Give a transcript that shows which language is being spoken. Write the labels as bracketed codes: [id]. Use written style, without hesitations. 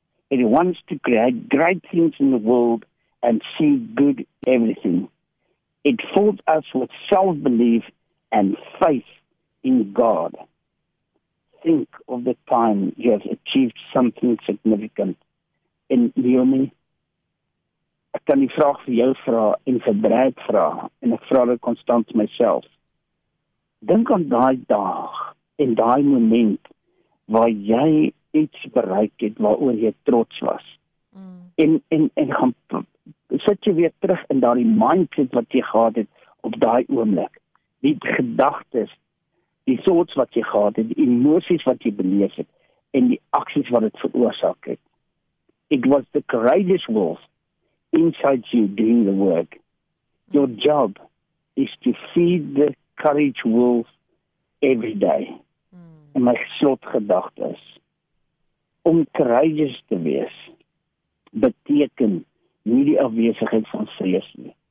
[en] It wants to create great things in the world and see good everything. It fills us with self-belief and faith in God. Think of the time you have achieved something significant. [af] En Naomi, ek kan die vraag vir jou vra en vir Brad vra, en ek vra dit konstant myself. Dink aan daai dag en daai moment waar jy iets bereik het, waaroor jy trots was. Sit jy weer terug in daardie mindset wat jy gehad het op daai oomblik. Die gedagtes, die thoughts wat jy gehad het, die emosies wat jy beleef het, en die aksies wat dit veroorsaak het. [en] It was the courageous wolf inside you doing the work. Your job is to feed the courage wolf every day. [af] En my slotgedagte is, om courageous te wees, beteken nie die afwesigheid van vrees nie.